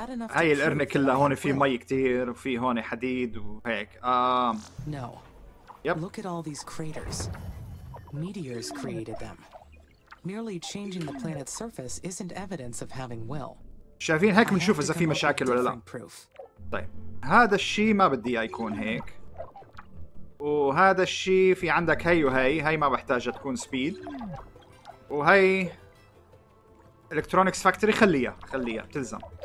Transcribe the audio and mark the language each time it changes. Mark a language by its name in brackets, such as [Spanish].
[Arabic] هاي القرنة كلها هون في مي كتير، وفي هون حديد وهيك. [English] No. Yep. Look at all these craters. Meteors created them. Merely changing the planet's surface isn't evidence of having will. [Arabic] شايفين هيك بنشوف إذا في مشاكل ولا لا. طيب هذا الشيء ما بدي يكون هيك. وهذا الشيء في عندك هي وهي، هي ما بحتاجها تكون سبيد. وهي الكترونكس فاكتوري خليها بتلزم.